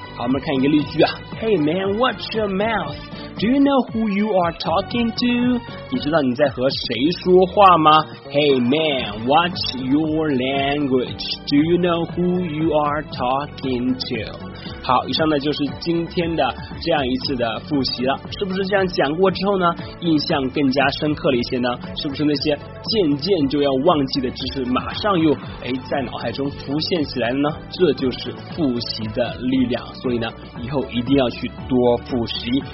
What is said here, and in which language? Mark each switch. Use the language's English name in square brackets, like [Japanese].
[Chinese] 好，我们看一个例句 [English] Hey man, watch your mouth. Do you know who you are talking to? [Chinese] 你知道你在和谁说话吗？ [English] Hey man, watch your language. Do you know who you are talking to? [Chinese] 好，以上呢就是今天的这样一次的复习了。是不是这样讲过之后呢，印象更加深刻了一些呢？是不是那些渐渐就要忘记的知识马上又在脑海中浮现起来了呢？这就是复习的力量，所以呢以后一定要去多复习。